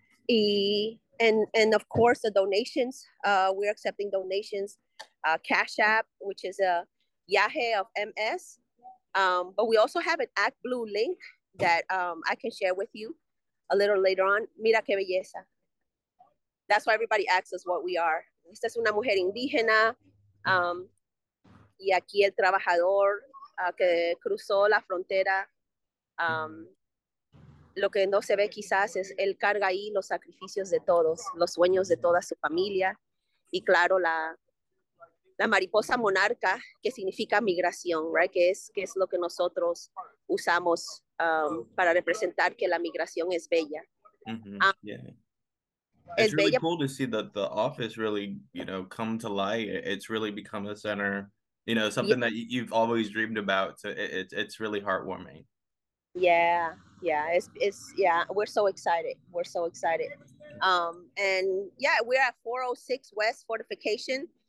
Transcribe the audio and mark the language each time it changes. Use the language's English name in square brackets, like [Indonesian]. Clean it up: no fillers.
[English] And of course, the donations, we're accepting donations, Cash App, which is a Yahe of MS. But we also have an Act Blue link that I can share with you a little later on. [Spanish] Mira qué belleza. [English] That's why everybody asks us what we are. [Spanish] Esta es una mujer indígena. Y aquí el trabajador que cruzó la frontera. Lo que no se ve quizás es él carga ahí los sacrificios de todos, los sueños de toda su familia. Y claro, la mariposa monarca, que significa migración, right? Que es lo que nosotros usamos para representar que la migración es bella. [English] Mm-hmm. It's really bella. Cool to see the office really, you know, come to light. It's really become a center, you know, something that you've always dreamed about. So it's really heartwarming. Yeah, we're so excited. We're at 406 West Fortification.